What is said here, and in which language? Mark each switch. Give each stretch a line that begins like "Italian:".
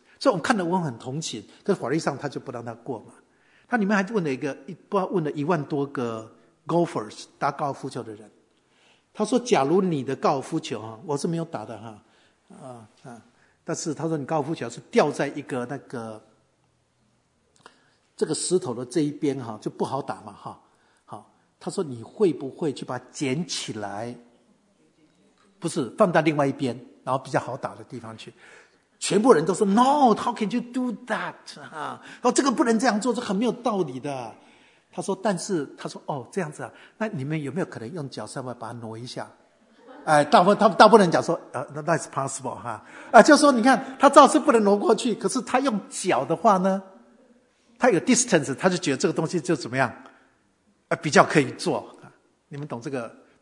Chinese: 所以我们看得我很同情，可是法律上他就不让他过嘛。他里面还问了一万多个 golfers 打高尔夫球的人，他说假如你的高尔夫球，我是没有打的，但是他说你高尔夫球是掉在一个那个这个石头的这一边就不好打嘛，他说你会不会去把它捡起来，不是放到另外一边然后比较好打的地方去。全部人都说
English: No, how can you do that？
Chinese: 说这个不能这样做，这很没有道理的。他说，但是他说哦，这样子啊，那你们有没有可能用脚稍微把它挪一下？哎，大部分人讲说
English: that's possible
Chinese: 就说你看他照是不能挪过去，可是他用脚的话呢，他有 distance， 他就觉得这个东西就怎么样，比较可以做。你们懂这个？